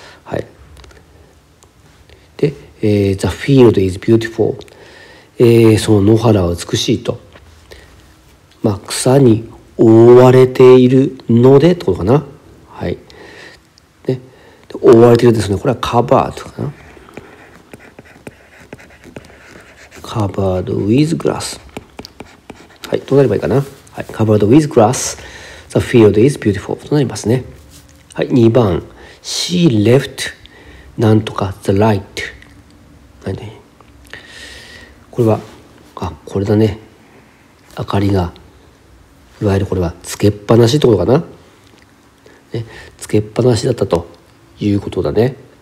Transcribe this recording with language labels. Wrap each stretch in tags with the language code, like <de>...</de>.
<ja>はい、で、</ja> <en>The field is beautiful、</en> <ja>その野原は美しいと、まあ、草に覆われているのでってことかな。はい、で覆われているんですね、これは covered かな、</ja> <en>covered with grass。</en> <ja>はい、どうなればいいかな。はい、</ja> <en>covered with grass、 the field is beautiful</en> <ja>となりますね。はい、2番、</ja> <en>she left</en> <ja>なんとか</ja> <en>the light、</en> <ja>はい、ね、これは、あ、これだね、明かりが、いわゆるこれはつけっぱなしってことかな、ね、つけっぱなしだったということだね。</ja>